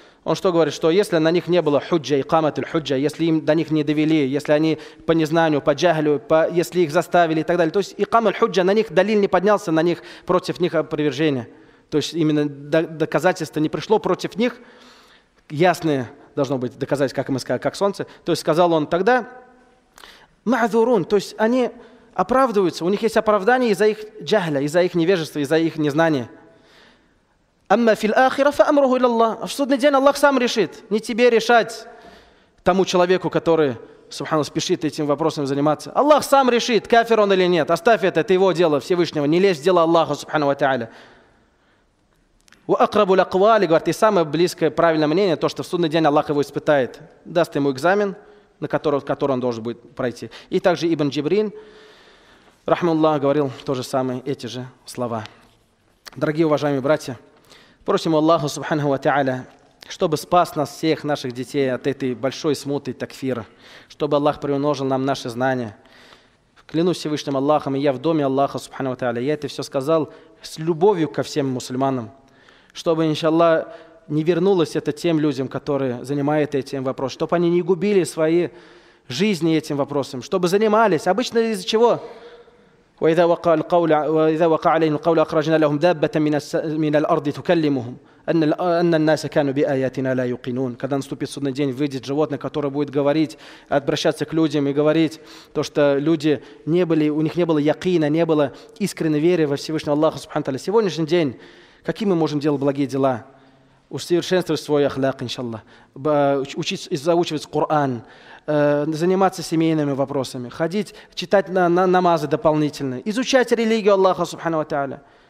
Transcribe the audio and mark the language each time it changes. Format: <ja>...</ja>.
<ru>Он что говорит, что если на них не было худжа и камат худжа, если им до них не довели, если они по незнанию, по джахлю, если их заставили и так далее, то есть и камат худжа на них далил не поднялся, на них против них опровержение, то есть именно доказательство не пришло против них, ясное должно быть доказательство, как мы сказали, как солнце, то есть сказал он тогда маазурун, то есть они оправдываются, у них есть оправдание из-за их джахля, из-за их невежества, из-за их незнания.</ru> <ar>أما في الآخرة فأمره إلى الله.</ar> <ru>В судный день Аллах сам решит. Не тебе решать тому человеку, который, субханаллах, спешит этим вопросом заниматься. Аллах сам решит, кафир он или нет. Оставь это его дело Всевышнего. Не лезь в дело Аллаха, субханаллах, та'аля.</ru> <ar>وَأَقْرَبُ الْأَقْوَالِ</ar> <ru>говорит, и самое близкое правильное мнение, то, что в судный день Аллах его испытает. Даст ему экзамен, на который он должен будет пройти. И также Ибн Джибрин, рахмаллах, говорил то же самое, эти же слова. Дорогие уважаемые братья, просим Аллаха Субханаху ва Тааля, чтобы спас нас всех наших детей от этой большой смуты такфира, чтобы Аллах приумножил нам наши знания. Клянусь Всевышним Аллахом, и я в доме Аллаха Субханаху ва Тааля. Я это все сказал с любовью ко всем мусульманам, чтобы, иншаллах, не вернулось это тем людям, которые занимают этим вопросом, чтобы они не губили свои жизни этим вопросом, чтобы занимались. Обычно из-за чего?</ru> <ar>وإذا وقع عليهم القول أخرجنا لهم دابة من الأرض تكلمهم</ar> <ru>Когда наступит судный день, выйдет животное, которое будет говорить, обращаться к людям и говорить то, что люди не были, у них не было якина, не было искренней веры во Всевышнего Аллаха Субхану Тааля. Сегодняшний день, какие мы можем делать благие дела? Усовершенствовать свой ахляк, иншаллах, учить и заучивать Коран, заниматься семейными вопросами, ходить, читать на намазы дополнительно, изучать религию Аллаха Субхану Тааля.</ru>